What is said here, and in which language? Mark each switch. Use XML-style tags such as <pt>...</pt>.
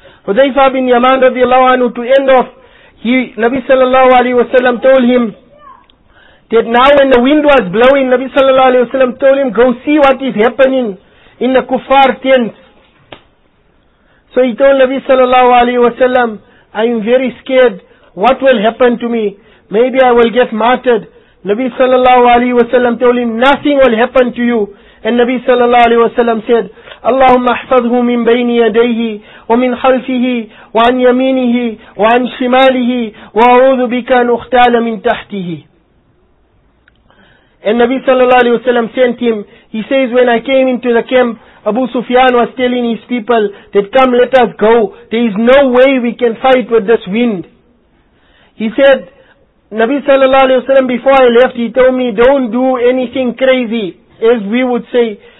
<en>Hudhayfa bin Yaman radiallahu anhu, to end off, he, Nabi sallallahu alayhi wa sallam told him that now when the wind was blowing, Nabi sallallahu alayhi wa sallam told him, go see what is happening in the kuffar tents. So he told Nabi sallallahu alayhi wa sallam, I am very scared, what will happen to me? Maybe I will get martyred. Nabi sallallahu alayhi wa sallam told him, nothing will happen to you. And Nabi sallallahu alayhi wa sallam said,</en> <ar>اللهم احفظه من بين يديه ومن خلفه وعن يمينه وعن شماله وأعوذ بك أن أختال من تحته. النبي صلى الله عليه وسلم</ar> <en>sent him. He says, when I came into the camp, Abu Sufyan was telling his people that come, let us go. There is no way we can fight with this wind. He said, Nabi sallallahu alayhi wa sallam, before I left, he told me, don't do anything crazy, as we would say.</en>